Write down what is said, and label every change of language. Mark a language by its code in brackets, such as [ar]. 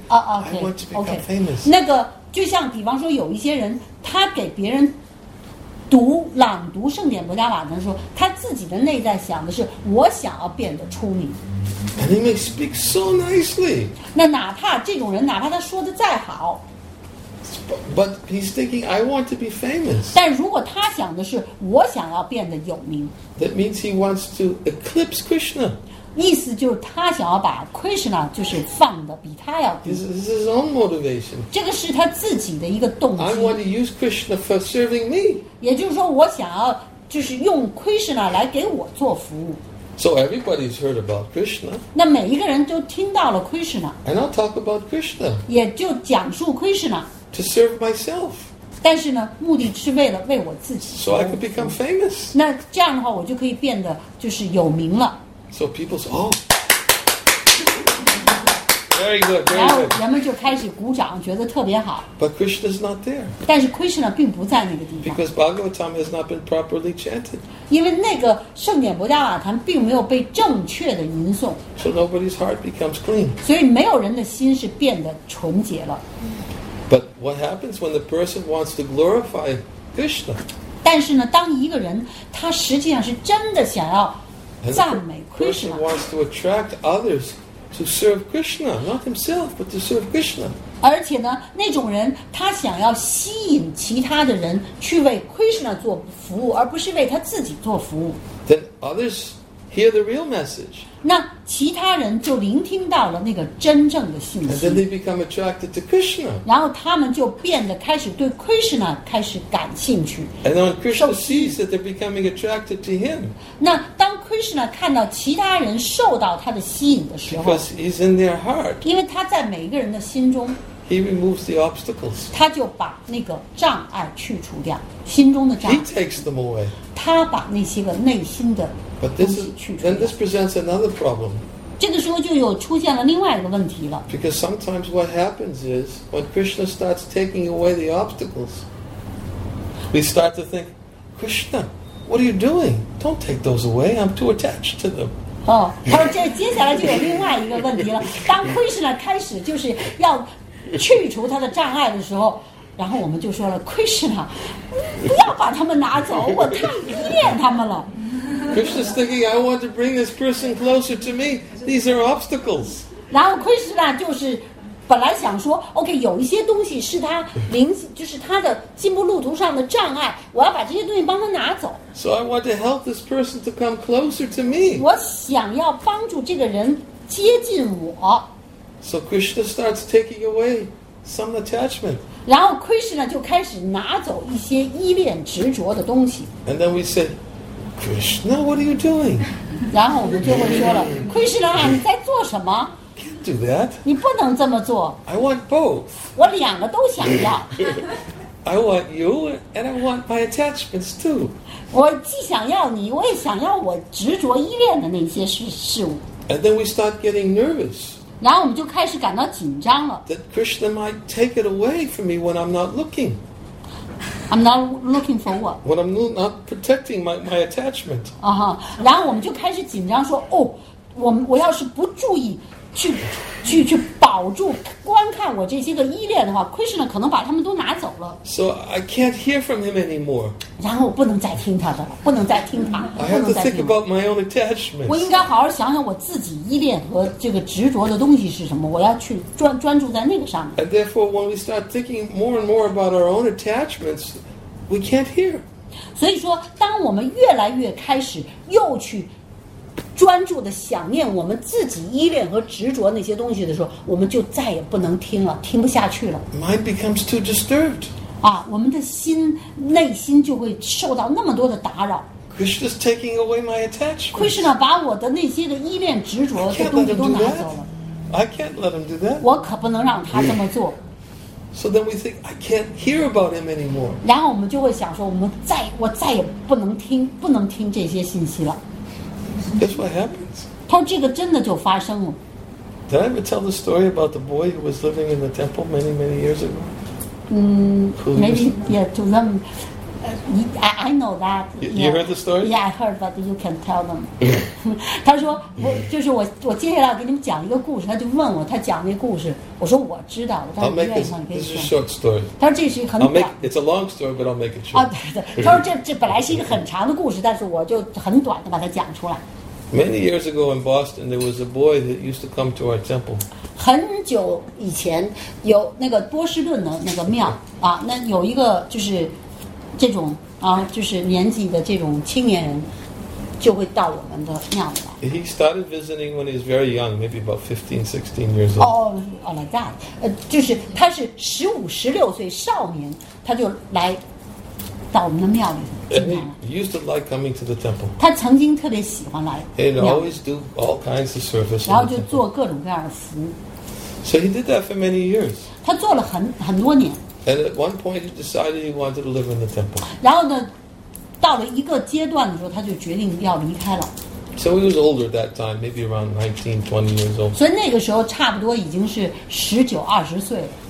[en] okay, "I want to become famous." [zh] 那个就像比方说，有一些人，他给别人读朗读圣典博伽瓦坛的时候，他自己的内在想的是，我想要变得出名。 [en] And he may speak so nicely. [zh] 那哪怕这种人，哪怕他说的再好 [en] ，but he's thinking I want to be famous. [zh] 但如果他想的是我想要变得有名 [en] ，that means he wants to eclipse Krishna. [zh] 意思就是他想要把 Krishna 就是放的比他要低。 [en] This is his own motivation. [zh] 这个是他自己的一个动机。 [en] I want to use Krishna for serving me. [zh] 也就是说，我想要就是用 Krishna 来给我做服务。 [en] So everybody's heard about Krishna. [zh] 那每一个人都听到了 Krishna. [en] And I'll talk about Krishna. [zh] 也就讲述 Krishna. [en] To serve myself. [zh] 但是呢，目的是为了为我自己。 [en] So I could become famous. [zh] 那这样的话，我就可以变得就是有名了。 [en] So people say, oh, very good, very good. [zh] 然后人们就开始鼓掌，觉得特别好。 [en] But Krishna's not there. [zh] 但是 Krishna 并不在那个地方。 [en] Because Bhagavatam has not been properly chanted. [zh] 因为那个圣典博迦瓦坛并没有被正确的吟诵。 [en] So nobody's heart becomes clean. [zh] 所以没有人的心是变得纯洁了。 [en] But what happens when the person wants to glorify Krishna? [zh] 但是呢，当一个人他实际上是真的想要赞美 Krishna, [en] the person wants to attract others to serve Krishna, not himself, but to serve Krishna. [zh] 而且呢，那种人他想要吸引其他的人去为 Krishna 做服务，而不是为他自己做服务。 [en] Then others hear the real message. [zh] 那其他人就聆听到了那个真正的信息。 [en] And then they become attracted to Krishna. [zh] 然后他们就变得开始对 Krishna 开始感兴趣。 [en] And then Krishna sees that they're becoming attracted to him. [zh] 那当 Krishna 看到其他人受到他的吸引的时候， [en] because he's in their heart. [zh] 因为他在每一个人的心中， [en] he removes the obstacles. [zh] 他就把那个障碍去除掉，心中的障碍。 [en] He takes them away. [zh] 他把那些个内心的。 [en] But this is, then this presents another problem. [zh] 这个时候就有出现了另外一个问题了。 [en] Because sometimes what happens is when Krishna starts taking away the obstacles, we start to think, Krishna, what are you doing? Don't take those away. I'm too attached to them. [zh] 哦，他说这接下来就有另外一个问题了。当 Krishna 开始就是要去除他的障碍的时候，然后我们就说了 ，Krishna， 不要把他们拿走，我太依恋他们了。 [en] Krishna's thinking, I want to bring this person closer to me. These are obstacles. [zh] 然后 Krishna 就是本来想说 ，OK， 有一些东西是他灵，就是他的进步路途上的障碍，我要把这些东西帮他拿走。 [en] So I want to help this person to come closer to me. [zh] 我想要帮助这个人接近我。 [en] So Krishna starts taking away some attachment. [zh] 然后 Krishna 就开始拿走一些依恋执着的东西。 [en] And then we said. Krishna, what are you doing? [zh] 然后我们就会说了 ，Krishna， 你在做什么 [en] ？Can't do that. [zh] 你不能这么做。 [en] I want both. [zh] 我两个都想要。 [en] I want you, and I want my attachments too. [zh] 我既想要你，我也想要我执着依恋的那些事物。 [en] And then we start getting nervous. [zh] 然后我们就开始感到紧张了。 [en] That Krishna might take it away from me when I'm not looking. I'm not looking for what? When I'm not protecting my attachment. [zh] 啊哈，然后我们就开始紧张说，哦，我要是不注意去保住观看我这些个依恋的话 ，Krishna 可能把他们都拿走了。 [en] So I can't hear from him anymore. [zh] 然后我不能再听他的了，不能再听他。 [en] I have to think about my own attachment. [zh] 我应该好好想想我自己依恋和这个执着的东西是什么，我要去专注在那个上面。 [en] And therefore, when we start thinking more and more about our own attachments, we can't hear. [zh] 所以说，当我们越来越开始又去。专注的想念我们自己依恋和执着那些东西的时候，我们就再也不能听了，听不下去了。 [en] Mind becomes too disturbed. [zh] 啊，我们的心内心就会受到那么多的打扰。 [en] Krishna's taking away my attachment. [zh] Krishna 把我的那些的依恋执着的东西都拿走了。 [en] I can't let him do that. [zh] 我可不能让他这么做。 [en] So then we think I can't hear about him anymore. [zh] 然后我们就会想说，我再也不能听这些信息了。 [en] That's what happens. [zh] 他这个真的就发生了。 [en] Did I ever tell the story about the boy who was living in the temple many, many years ago? Maybe, yeah, to them. I know that. You heard the story? Yeah, I heard, but you can tell them. [zh] 他说，我接下来要给你们讲一个故事。他就问我，他讲那故事。我说我知道，但是愿意上给你。 [en] This is a short story. [zh] 他说这是一个很短。 [en] It's a long story, but I'll make it short. [zh] 啊，对。他说这本来是一个很长的故事，但是我就很短的把它讲出来。 [en] Many years ago in Boston, there was a boy that used to come to our temple. [zh] 很久以前有那个波士顿的那个庙啊，那有一个就是。这种啊，就是年纪的这种青年人，就会到我们的庙里来。 [en] He started visiting when he was very young, maybe about 15, 16 years old. Oh, like that. [zh] 就是他是15、16岁少年，他就来到我们的庙里。 [en] He used to like coming to the temple. [zh] 他曾经特别喜欢来。 [en] He'd always do all kinds of service. [zh] 然后就做各种各样的服务。 [en] So he did that for many years. [zh] 他做了很多年。 [en] And at one point, he decided he wanted to live in the temple. [zh] 然后呢，到了一个阶段的时候，他就决定要离开了。 [en] So he was older at that time, maybe around 19, 20 years old. [zh] 所以那个时候差不多已经是十九二十岁了。